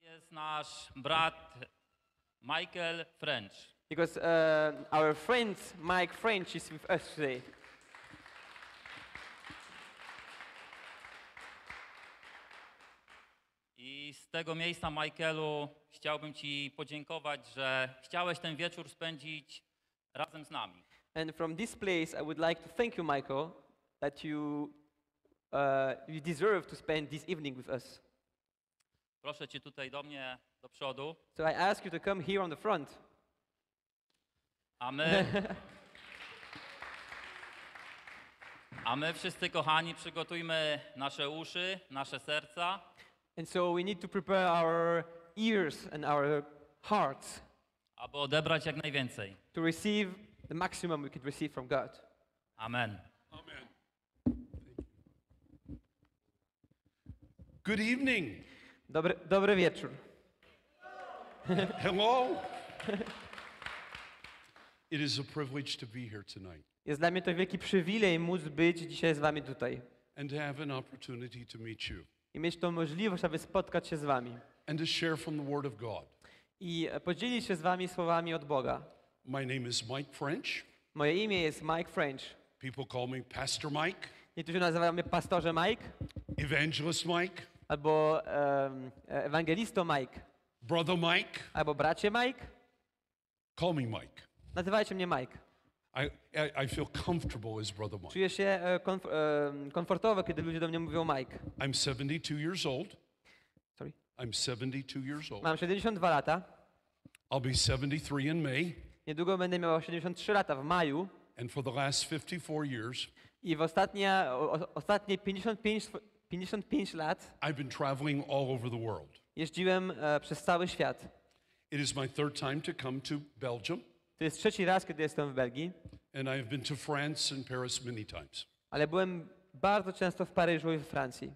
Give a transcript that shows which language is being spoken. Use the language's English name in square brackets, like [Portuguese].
[Polish] jest nasz brat Michael French. [English] Because our friend Mike French is with us today. [Polish] I z tego miejsca, Michaelu, chciałbym ci podziękować, że chciałeś ten wieczór spędzić razem z nami. [English] And from this place I would like to thank you, Michael, that you deserve to spend this evening with us. [Polish] Proszę cię tutaj do mnie do przodu. [English] So I ask you to come here on the front. [Polish] A my wszyscy kochani, przygotujmy nasze uszy, nasze serca. [English] And so we need to prepare our ears and our hearts. [Polish] Aby odebrać jak najwięcej. [English] To receive the maximum we could receive from God. [Polish] Amen. [English] Amen. Good evening. [Polish] Dobry wieczór. [English] Hello. It is a privilege to be here tonight. [Polish] Jest dla mnie to wielki przywilej móc być dzisiaj z wami tutaj. [English] And to have an opportunity to meet you. [Polish] I mieć tą możliwość, aby spotkać się z wami. [English] And to share from the word of God. [Polish] I podzielić się z wami słowami od Boga. [English] My name is Mike French. [Polish] Moje imię jest Mike French. [English] People call me Pastor Mike. [Polish] Niektórzy nazywają mnie pastorze Mike. [English] Evangelist Mike. [Polish] Albo ewangelisto Mike. [English] Brother Mike. [Polish] Albo bracie Mike. [English] Call me Mike. [Polish] Nazywajcie mnie Mike. [English] I feel comfortable as brother Mike. [Polish] Czuję się komfortowo, kiedy ludzie do mnie mówią Mike. [English] I'm 72 years old. Sorry. I'm 72 years old. [Polish] Mam 72 lata. [English] I'll be 73 in May. [Polish] Niedługo będę miał 73 lata w maju. [English] And for the last 54 years. [Polish] I w ostatnie 55 lat. [English] I've been traveling all over the world. [Polish] Jeździłem przez cały świat. [English] It is my third time to come to Belgium. [Polish] To jest trzeci raz, kiedy jestem w Belgii. [English] And I have been to France and Paris many times. [Polish] Ale byłem bardzo często w Paryżu i w Francji.